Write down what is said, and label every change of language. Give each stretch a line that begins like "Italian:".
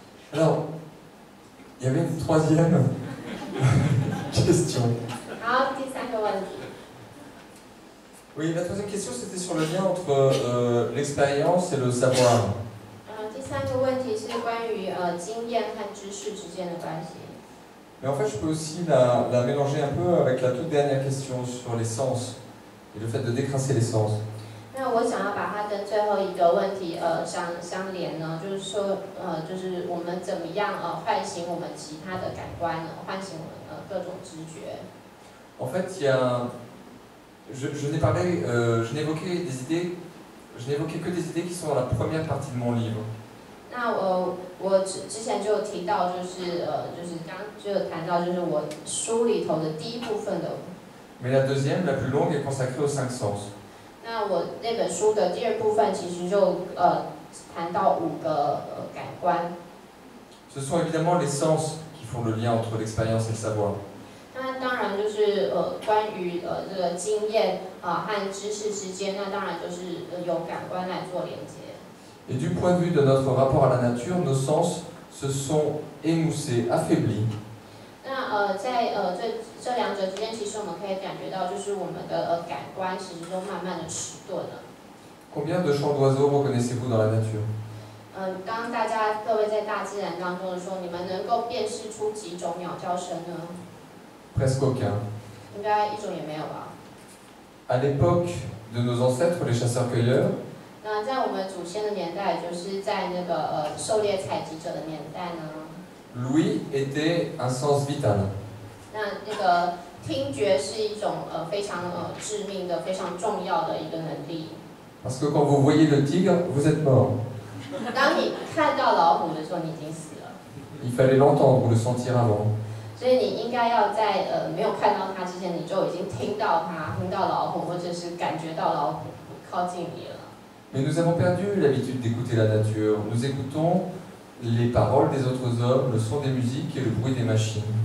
Chinese: Hello， 有没有脱线了？
English: Just joking。
Chinese: 好，第三个问题。
French: Oui, la troisième question, c'était sur le lien entre l'expérience et le savoir.
Chinese: 第三个问题是关于经验和知识之间的关系。
French: Mais en fait, je peux aussi la mélanger un peu avec la toute dernière question sur les sens et le fait de décrasser les sens.
Chinese: 那我想要把它跟最后一个问题相连呢，就是说就是我们怎么样唤醒我们其他的感官呢，唤醒我们各种知觉。
French: En fait, il y a je n'évoquais que des idées qui sont dans la première partie de mon livre.
Chinese: 那我之前就提到，就是刚就有谈到，就是我书里头的第一部分的。
French: Mais la deuxième, la plus longue, est consacrée aux cinq sens.
Chinese: 那我那本书的第二部分其实就谈到五个感官。
French: Ce sont évidemment les sens qui font le lien entre l'expérience et le savoir.
Chinese: 那当然就是关于这个经验和知识之间，那当然就是由感官来做连接。
French: Et du point de vue de notre rapport à la nature, nos sens se sont émoussés, affaiblis.
Chinese: 那在这两者之间，其实我们可以感觉到，就是我们的感官其实都慢慢的迟钝了。
French: Combien de chants d'oiseaux reconnaissez-vous dans la nature?
Chinese: 当大家各位在大自然当中的时候，你们能够辨识出几种鸟叫声呢？
French: Presque aucun.
Chinese: 应该一种也没有吧。
French: À l'époque de nos ancêtres, les chasseurs-cueilleurs.
Chinese: 那在我们祖先的年代，就是在那个狩猎采集者的年代呢。
French: Louis était un sens vital。
Chinese: 那个听觉是一种非常致命的、非常重要的一个能力。
French: Parce que quand vous voyez le tigre, vous êtes mort。
Chinese: 当你看到老虎的时候，你已经死了。
French: Il fallait l'entendre ou le sentir avant。
Chinese: 所以你应该要在没有看到它之前，你就已经听到它，听到老虎，或者是感觉到老虎靠近你了。
French: Mais nous avons perdu l'habitude d'écouter la nature. Nous écoutons les paroles des autres hommes, le son des musiques et le bruit des machines.